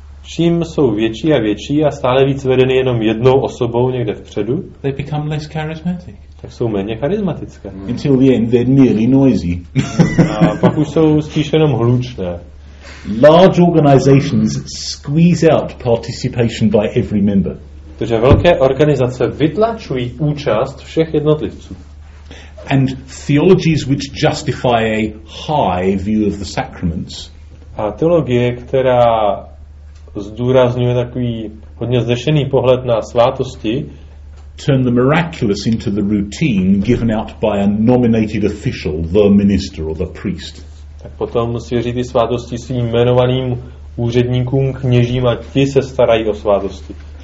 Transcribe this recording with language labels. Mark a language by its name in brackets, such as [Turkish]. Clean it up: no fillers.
[Czech] Čím jsou větší a větší a stále víc vedeny jenom jednou osobou někde vpředu, [English] they become less charismatic. [Czech] Tak jsou méně charismatické. [English] Until the end, they're merely noisy. [Czech] A pak už jsou spíš jenom hlučné. [English] Large organizations squeeze out participation by every member. [Czech] Takže velké organizace vytlačují účast všech jednotlivců. [English] And theologies which justify a high view of the sacraments. [Czech] A teologie, která zdůrazňuje takový hodně zvýšený pohled na svátosti, [English] turn the miraculous into the routine given out by a nominated official, the minister or the priest. [Czech] Tak potom svěří ty svátosti svým jmenovaným úředníkům, kněžím, a ti se starají o svátosti.